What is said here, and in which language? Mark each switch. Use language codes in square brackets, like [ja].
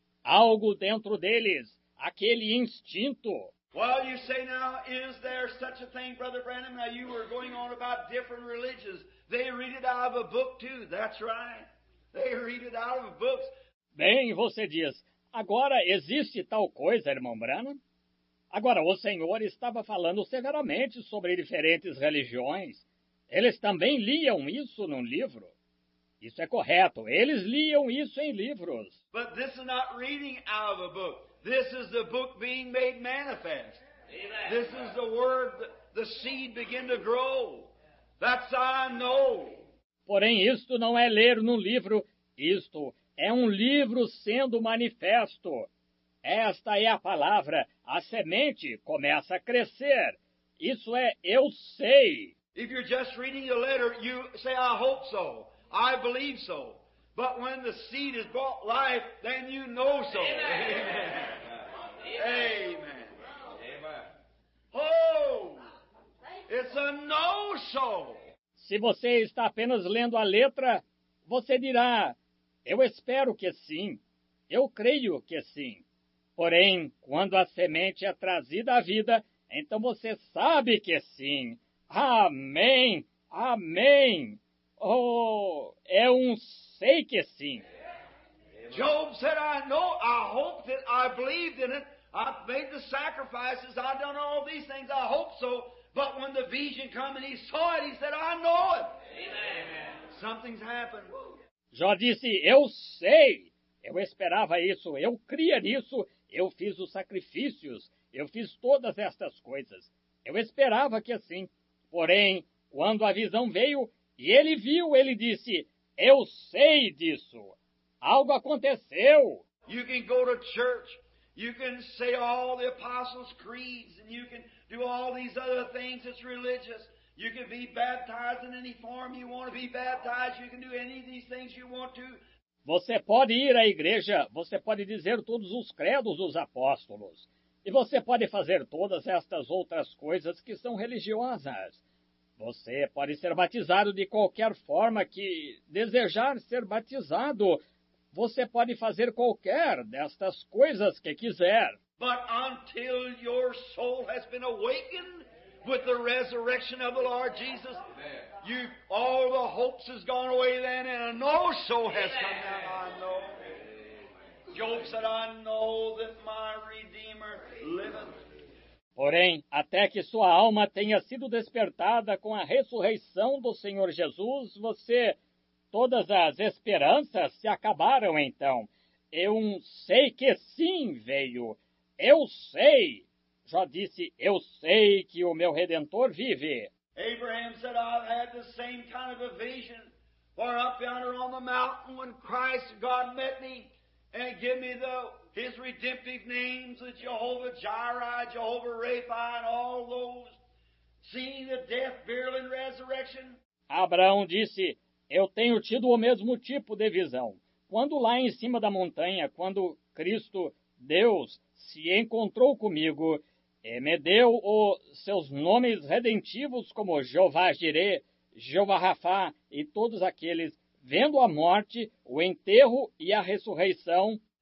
[pt] Algo dentro deles, aquele instinto. [en] Well, you say now, is there such a thing, Brother Branham? Now, you were going on about different religions. They read it out of a book, too. That's right. They read it out of books. [pt] Bem, você diz, agora existe tal coisa, irmão Branham? Agora, o senhor estava falando severamente sobre diferentes religiões. Eles também liam isso num livro. Isso é correto. Eles liam isso em livros. [en] But this is not reading out of a book. This is the book being made manifest. Amen. This is the word, the seed begin to grow. That's I know. [pt] Porém, isto não é ler num livro. Isto é um livro sendo manifesto. Esta é a palavra. A semente começa a crescer. Isso é, eu sei. [en] If you're just reading the letter, you say, I hope so. I believe so. But when the seed has brought life, then you know so. Amen. Amen. Amen. Oh, it's a no-so. [pt] Se você está apenas lendo a letra, você dirá, eu espero que sim, eu creio que sim. Porém, quando a semente é trazida à vida, então você sabe que sim. Amém. Amém. Oh, é um sei que sim. [en] Job said, I know, I hope that I believed in it. I've made the sacrifices, I've done all these things, I hope so. But when the vision came and he saw it, he said, I know it. Amen. Something's happened. [pt] Jó disse, eu sei. Eu esperava isso, eu cria nisso. Eu fiz os sacrifícios, eu fiz todas estas coisas. Eu esperava que assim. Porém, quando a visão veio e ele viu, ele disse, eu sei disso. Algo aconteceu. [en] You can go to church. You can say all the apostles' creeds. And you can do all these other things that's religious. You can be baptized in any form you want to be baptized. You can do any of these things you want to. [pt] Você pode ir à igreja. Você pode dizer todos os credos dos apóstolos. E você pode fazer todas estas outras coisas que são religiosas. Você pode ser batizado de qualquer forma que desejar ser batizado. Você pode fazer qualquer destas coisas que quiser. [en] But until your soul has been awakened with the resurrection of the Lord Jesus, you, all the hopes has gone away then and a no-soul has come down. I know. Job said, I know that my Redeemer liveth. [pt] Porém, até que sua alma tenha sido despertada com a ressurreição do Senhor Jesus, você, todas as esperanças se acabaram então. Eu sei que sim veio. Eu sei. Já disse, eu sei que o meu Redentor vive. [en] Abraham said, I've had the same kind of a vision where up yonder on the mountain when Christ God met me and gave me the His redemptive names, the Jehovah Jireh, Jehovah Rapha, and all those, seeing the death, burial, and resurrection. [pt] Abraão disse, eu tenho tido o mesmo tipo de visão. Quando lá em cima da montanha, quando Cristo, Deus, se encontrou comigo, e me deu os seus nomes redentivos como Jeová Jireh, Jeová Rafá e todos aqueles, vendo a morte, o enterro e a ressurreição,